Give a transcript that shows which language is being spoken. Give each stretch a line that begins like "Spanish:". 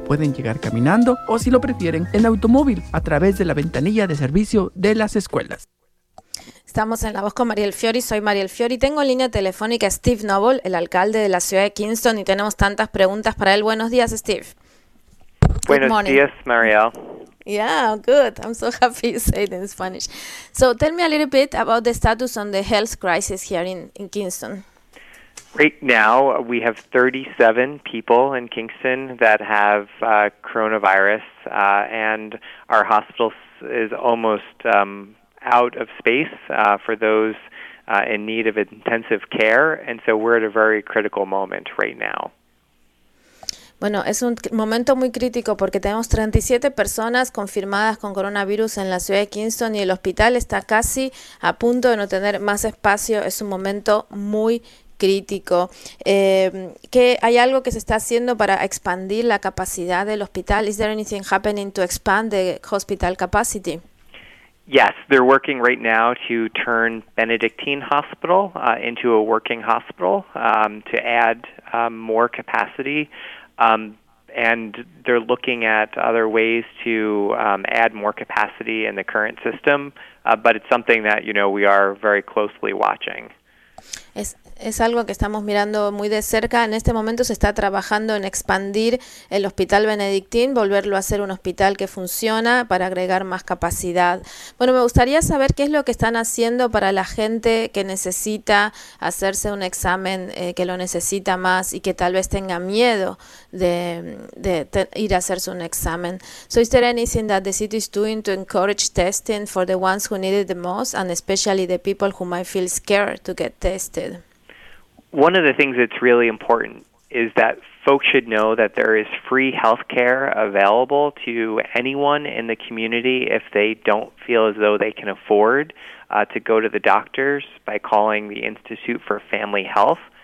Spanish: Pueden llegar caminando o, si lo prefieren, en automóvil a través de la ventanilla de servicio de las escuelas. Estamos en La Voz con Mariel Fiori. Soy Mariel Fiori. Tengo en línea telefónica a Steve Noble, el alcalde de la ciudad de Kingston, y tenemos tantas preguntas para él. Buenos días, Steve. Buenos días, Mariel.
English: Yeah, good. I'm so happy you say it in Spanish. So tell me a little bit about the status on the health crisis here in Kingston. Right now, we have 37 people in Kingston that have coronavirus, and our hospital is almost out of space for those in need of intensive care. And so we're at a very critical moment right now.
Spanish: Bueno, es un momento muy crítico porque tenemos 37 personas confirmadas con coronavirus en la ciudad de Kingston y el hospital está casi a punto de no tener más espacio. Es un momento muy crítico. ¿Qué hay algo que se está haciendo para expandir la capacidad del hospital?
English: Is there anything happening to expand the hospital capacity? Yes, they're working right now to turn Benedictine Hospital into a working hospital to add more capacity. And they're looking at other ways to add more capacity in the current system, but it's something that, you know, we are very closely watching.
Spanish: Es algo que estamos mirando muy de cerca. En este momento se está trabajando en expandir el Hospital Benedictine, volverlo a ser un hospital que funciona para agregar más capacidad. Bueno, me gustaría saber qué es lo que están haciendo para la gente que necesita hacerse un examen, que lo necesita más y que tal vez tenga miedo de ir a hacerse un examen.
English: So is there anything that the city is doing to encourage testing for the ones who need it the most and especially the people who might feel scared to get tested? One of the things that's really important is that folks should know that there is free health care available to anyone in the community if they don't feel as though they can afford to go to the doctors by calling the Institute for Family Health.